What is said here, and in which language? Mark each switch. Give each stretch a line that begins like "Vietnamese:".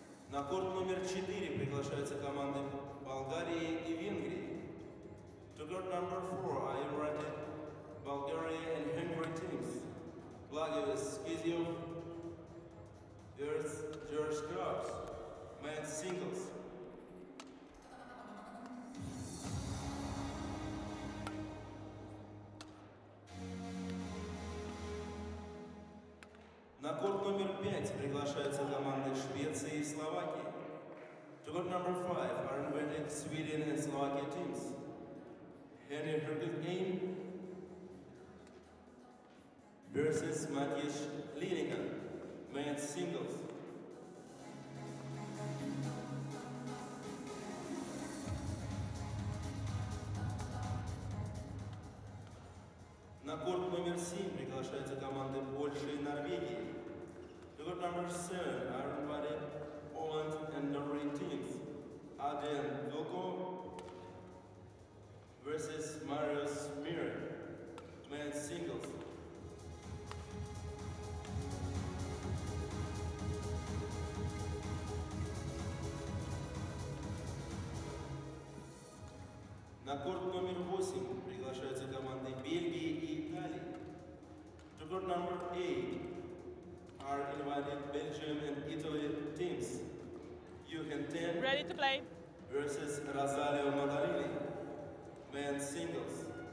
Russian: На корт номер 4 приглашаются команды Болгарии и Венгрии.
English: To court number 4 are invited Bulgaria and Hungary teams. Blagoev Skizyov vs. George Krabs. Men's singles.
Russian: На корт номер 5 приглашаются команды Швеции и Словакии.
English: To court number 5 are invited Sweden and Slovakia teams. Henry Hurkutin versus Matias Linigan. Men's singles.
Russian: На корт номер 7 приглашаются команды Польши и Норвегии.
English: To court number 7 are invited Poland and Norway teams. Adrian Doko versus Marius Mir. Men's singles.
Russian: На корт номер 8 приглашаются команды Бельгии и Италии.
English: To court number 8 are invited Belgium and Italy teams. Eugen Ten. Ready to play. Versus Rosario Mandarini. Men's singles.